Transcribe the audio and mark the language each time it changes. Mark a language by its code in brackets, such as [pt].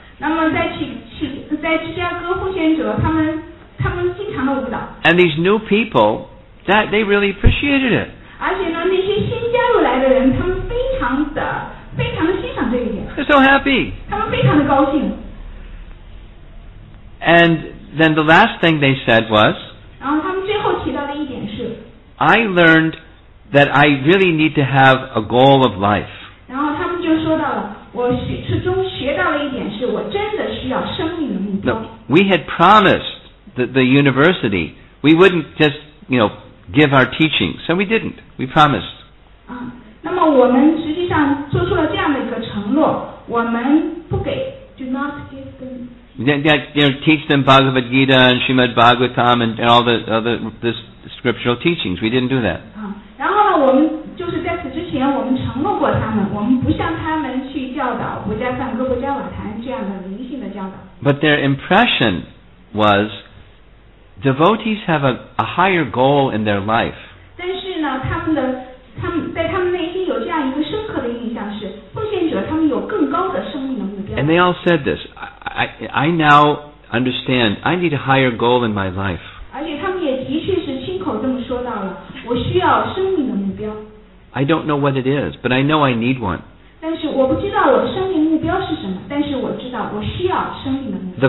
[zh] 那么在芝加哥奉献者他们经常的舞蹈。 [en] And these new people,That they really appreciated it. [zh] 而且呢，那些新加入来的人，他们非常的欣赏这一点。 [en] They're so happy. [zh] 他们非常的高兴。 [en] And then the last thing they said was. [zh] 然后他们最后提到的一点是。 [en] I learned that I really need to have a goal of life. [zh] 然后他们就说到了，我始终学到了一点，是我真的需要生命的目标。 [en] We had promised the university we wouldn't just. Give our teaching. So we didn't. We promised. [zh] 那么我们实际上做出了这样的一个承诺，我们不给 [en] ，do not give them. Then teach them Bhagavad Gita and Srimad Bhagavatam and all the other this scriptural teachings. We didn't do that. [zh] 然后呢，我们就是在此之前，我们承诺过他们，我们不向他们去教导《不加赞歌》《不加瓦坛》这样的灵性的教导。 [en] But their impression was. devotees have a higher goal in their life. [zh] 但是呢，在他们内心有这样一个深刻的印象是，奉献者他们有更高的生命的目标。 [en] And they all said this. I now understand. I need a higher goal in my life. [zh] 而且他们也的确是亲口这么说到了，我需要生命的目标。 [en] I don't know what it is, but I know I need one. [zh] 但是我不知道我的生命目标是什么，但是我知道我需要生命的目标。